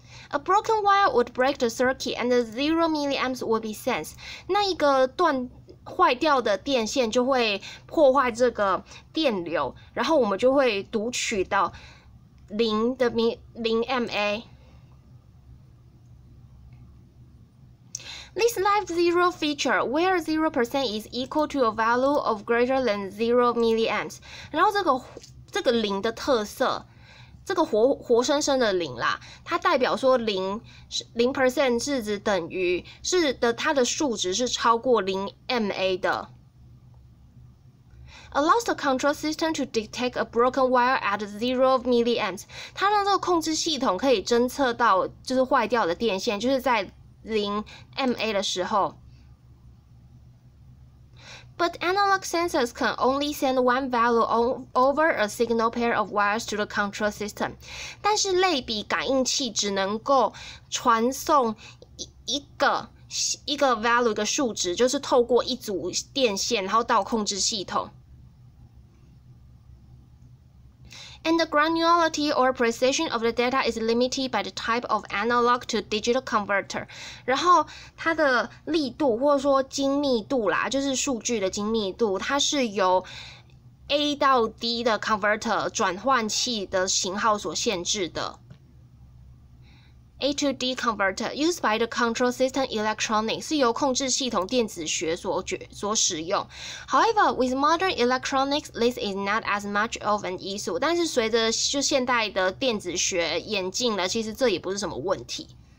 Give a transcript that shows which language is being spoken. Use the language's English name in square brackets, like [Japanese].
[English] A broken wire would break the circuit and the 0 milliamps would be sensed. [Chinese] 那一个断坏掉的电线就会破坏这个电流，然后我们就会读取到0 mA。 [English] This life zero feature, where 0% is equal to a value of greater than 0 milliamps. [Chinese] 然后这个零的特色，这个活生生的零啦，它代表说零 percent 是指等于是的，它的数值是超过零 mA 的。 [English] Allows the control system to detect a broken wire at 0 milliamps. [Chinese] 它让这个控制系统可以侦测到就是坏掉的电线，就是在0 mA 的时候。 [English] But analog sensors can only send one value over a signal pair of wires to the control system. [Chinese] 但是类比感应器只能够传送一个 value 一个数值，就是透过一组电线，然后到控制系统。 [English] And the granularity or precision of the data is limited by the type of analog to digital converter. [Chinese] 然后它的力度或者说精密度啦，就是数据的精密度，它是由 A 到 D 的 converter 转换器的型号所限制的。 [English] A to D converter used by the control system electronics [Chinese] 是由控制系统电子学所使用。 [English] However, with modern electronics, this is not as much of an issue. [Chinese] 但是随着就现代的电子学演进了，其实这也不是什么问题。